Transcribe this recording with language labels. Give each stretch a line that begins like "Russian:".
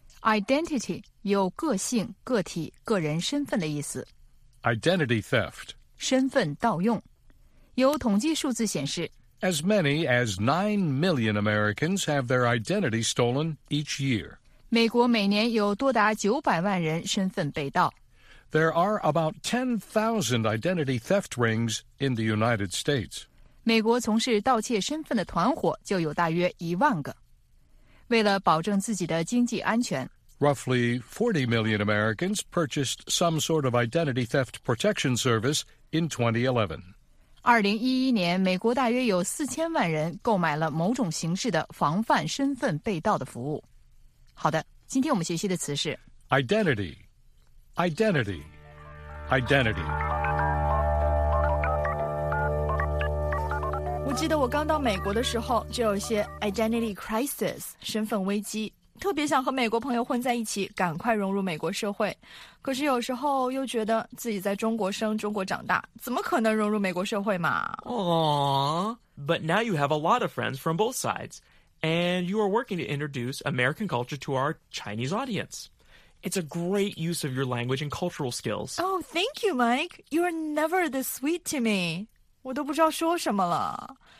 Chinese: Identity 有个性、个体、个人身份的意思。
English: Identity theft
Chinese: 身份盗用。有统计数字显示
English: As many as 9 million Americans have their identity stolen each year.
Chinese: 美国每年有多达900万人身份被盗。
English: There are about 10,000 identity theft rings in the United States.
Chinese: 美国从事盗窃身份的团伙就有大约1万个。为了保证自己的经济安全，
English: Roughly 40 million Americans purchased some sort of identity theft protection service in 2011.
Chinese: 2011 年，美国大约有4000万人购买了某种形式的防范身份被盗的服务。好的，今天我们学习的词是
English: identity, identity, identity。
Chinese: 我记得我刚到美国的时候，就有些 identity crisis, 身份危机，特别想和美国朋友混在一起，赶快融入美国社会。可是有时候又觉得自己在中国生、中国长大，怎么可能融入美国社会嘛？
English: But now you have a lot of friends from both sides, and you are working to introduce American culture to our Chinese audience. It's a great use of your language and cultural skills. Oh, thank you, Mike. You are never this sweet to me.
Chinese: 我都不知道说什么了。